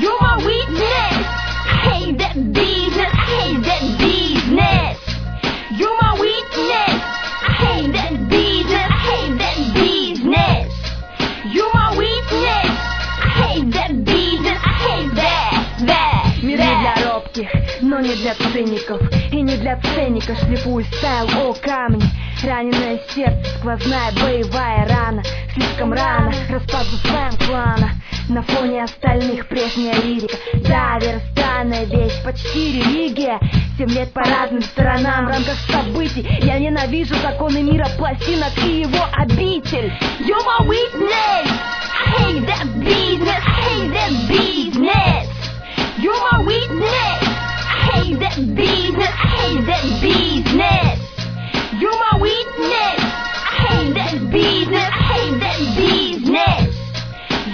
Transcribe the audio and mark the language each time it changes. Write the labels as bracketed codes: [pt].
[en] You're my weakness. I hate that business, I hate that business. You're my weakness. I hate that business, I hate that business. You're my weakness. I hate that business, I hate that. [ru] Не для робких, но не для циников. И не для циника шлифую стайл, о, камни. Раненое сердце, сквозная боевая рана. Слишком рано, распад за своим клана. На фоне остальных прежняя лирика. Да, верст. Странная вещь, почти религия. 7 лет по разным сторонам. В рамках событий я ненавижу законы мира пластинок и его обитель. [en] You're my weakness. I hate that business, I hate that business. You're my weakness. I hate that business, I hate that business. You're my weakness. I hate that business, I hate that business.